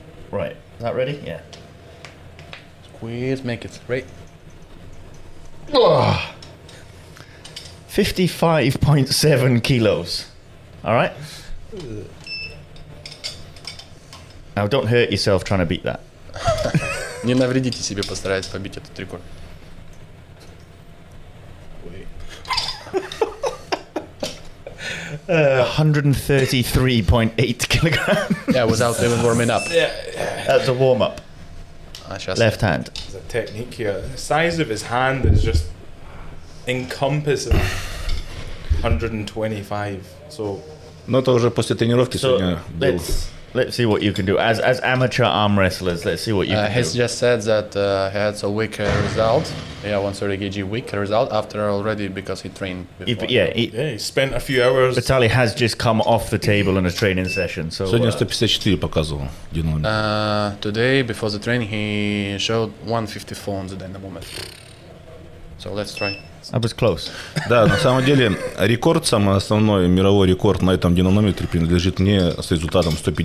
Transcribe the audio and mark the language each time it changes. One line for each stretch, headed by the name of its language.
English: Right. Is that ready? Yeah. Please make it straight. 55.7 kilos. All right. Now, don't hurt yourself trying to beat that.
Russian: Не навредите себе, постараюсь побить этот рекорд.
English: Uh, 133.8 kilograms. Yeah, without even warming up. Yeah. That's a warm up. Left hand. There's a technique here. The size of his hand is just encompassing 125. So.
Russian: Ну это уже после тренировки сегодня был.
English: Let's see what you can do as amateur arm wrestlers. Let's see what you can do. He just said that he had a weaker result. Yeah, 130 kg weaker result after already because he trained before. He spent a few hours. Vitaly has just come off the table in a training session. So
Russian: сегодня 154 показывал.
English: Today before the training he showed 154 on the dynamometer. So let's try. I was close.
Russian: Да, на самом деле рекорд, самый основной мировой рекорд на этом динамометре принадлежит мне с результатом